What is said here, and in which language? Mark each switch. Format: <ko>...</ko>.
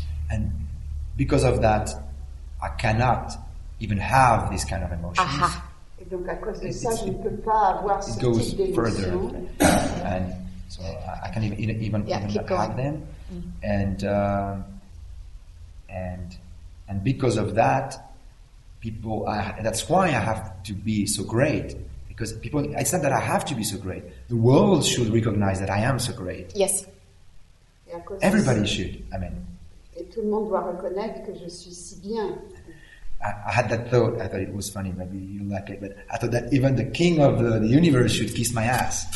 <en>And because of that, I cannot even have this kind of emotions. Aha.</en> <fr>Et donc à cause de ça, je ne peux pas avoir ce type d'émotions.</fr> <en>It goes further. And so I can't even keep have going. Them. Mm-hmm. And because of that, people, that's why I have to be so great, Because people, it's not that I have to be so great. The world should recognize that I am so great. Yes. Everybody should. I mean.</en> <fr>Et tout le monde doit reconnaître que je suis si bien.</fr> <en>I had that thought. I thought it was funny. Maybe you like it, but I thought that even the king of the universe should kiss my ass.</en>